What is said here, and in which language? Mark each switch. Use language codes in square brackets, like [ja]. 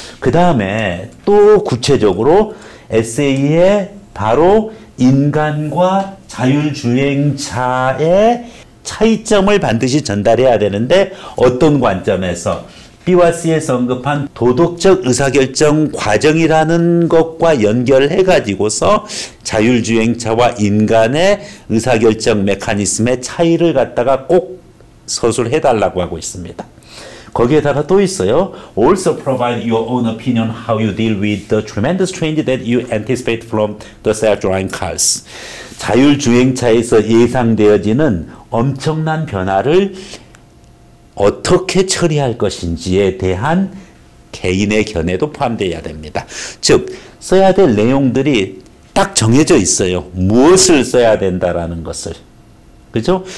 [ko] 그 다음에 또 구체적으로 에세이에 바로 인간과 자율주행차의 차이점을 반드시 전달해야 되는데 어떤 관점에서 B와 C에서 언급한 도덕적 의사결정 과정이라는 것과 연결해가지고서 자율주행차와 인간의 의사결정 메커니즘의 차이를 갖다가 꼭 서술해달라고 하고 있습니다. 거기에다가 또 있어요. [en] Also provide your own opinion how you deal with the tremendous change that you anticipate from the self-driving cars. [ko] 자율주행차에서 예상되어지는 엄청난 변화를 어떻게 처리할 것인지에 대한 개인의 견해도 포함되어야 됩니다. 즉, 써야 될 내용들이 딱 정해져 있어요. 무엇을 써야 된다라는 것을. 그죠?